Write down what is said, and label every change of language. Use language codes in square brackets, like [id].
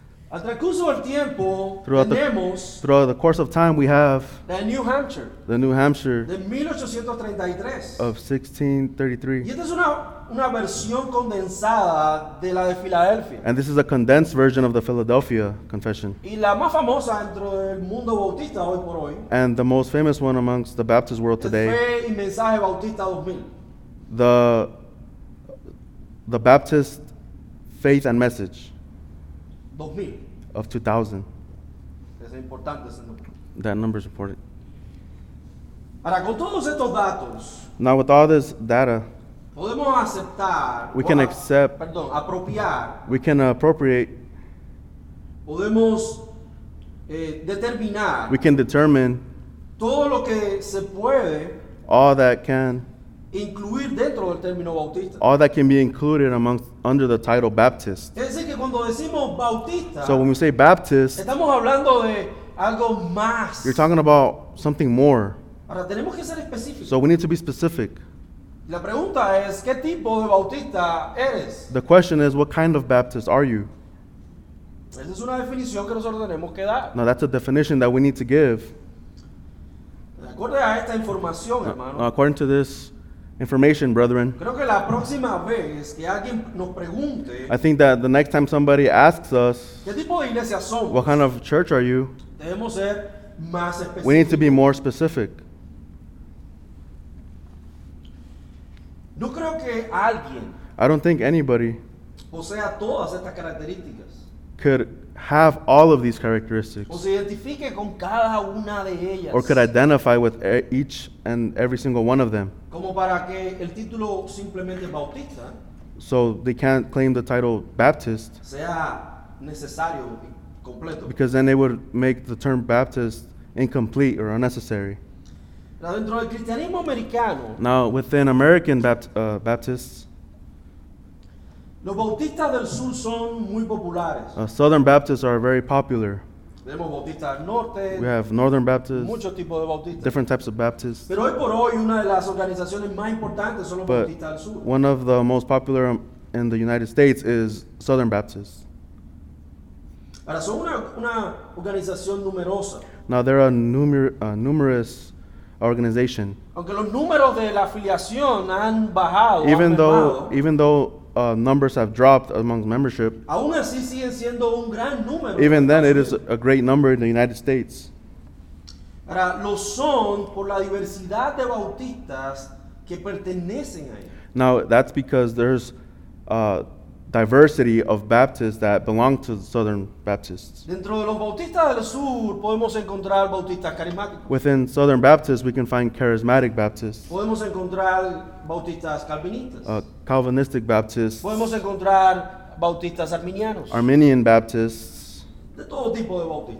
[es] Al transcurso del tiempo tenemos. [en] Throughout the course of time, we have. [es] The New Hampshire. De 1833. [en] Of 1633. [es] Y esta es una versión condensada de la de Filadelfia. [en] And this is a condensed version of the Philadelphia Confession. [es] Y la más famosa dentro del mundo bautista hoy por hoy. [en] And the most famous one amongst the Baptist world today. [es] Fe y Mensaje Bautista 2000. [en] The Baptist Faith and Message. [es] 2000. [en] Of 2000. [es] Es importante ese número. [en] That number is important. [es] Ahora, con todos estos datos. [en] Now with all this data. [es] Podemos aceptar. [en] We can accept. [es] Perdón, apropiar. [en] We can appropriate. [es] Podemos determinar. [en] We can determine. [es] Todo lo que se puede. [en] All that can. [es] Incluir dentro del término bautista. [en] All that can be included under the title Baptist. [es] Es decir, que cuando decimos bautista. [en] So when we say Baptist. [es] Estamos hablando de algo más. [en] You're talking about something more. [es] Ahora, tenemos que ser específicos. [en] So we need to be specific. [es] La pregunta es, ¿qué tipo de bautista eres? [en] The question is, what kind of Baptist are you? [es] Esa es una definición que nosotros tenemos que dar. [en] Now that's a definition that we need to give. [es] De acuerdo a esta información, hermano. [en] According to this information, brethren. [es] Creo que la próxima vez que alguien nos pregunte. [en] I think that the next time somebody asks us. [es] ¿Qué tipo de iglesia somos? [en] What kind of church are you? [es] Debemos ser más específicos. [en] We need to be more specific. [es] No creo que alguien. [en] I don't think anybody. [es] Posea todas estas características. [en] Could have all of these characteristics. [es] O se identifique con cada una de ellas. [en] Or could identify with each and every single one of them. [es] Como para que el título simplemente bautista. [en] So they can't claim the title Baptist. [es] Sea necesario completo. [en] Because then they would make the term Baptist incomplete or unnecessary. [es] Now, dentro del cristianismo americano, [en] within American Baptists, [es] los bautistas del sur son muy populares. [en] Southern Baptists are very popular. [es] Tenemos bautistas del norte. [en] We have Northern Baptists. [es] Muchos tipos de bautistas. [en] Different types of Baptists. [es] Pero hoy por hoy, una de las organizaciones más importantes son los bautistas del sur. [en] One of the most popular in the United States is Southern Baptists. [es] Ahora, son una organización numerosa. [en] Now, there are numerous organization. [es] Aunque los números de la afiliación han bajado, [en] even though numbers have dropped among membership, [es] aún así siguen siendo un gran número. [en] Even then, it is a great number in the United States. [es] Ahora, lo son por la diversidad de bautistas que pertenecen ahí. [en] Now, that's because there's diversity of Baptists that belong to the Southern Baptists. [es] Dentro de los bautistas del sur podemos encontrar bautistas carismáticos. [en] Within Southern Baptists, we can find charismatic Baptists. [es] Podemos encontrar bautistas calvinistas. [en] Calvinistic Baptists. [es] Podemos encontrar bautistas arminianos. [en] Arminian Baptists. [es] De todo tipo de bautistas.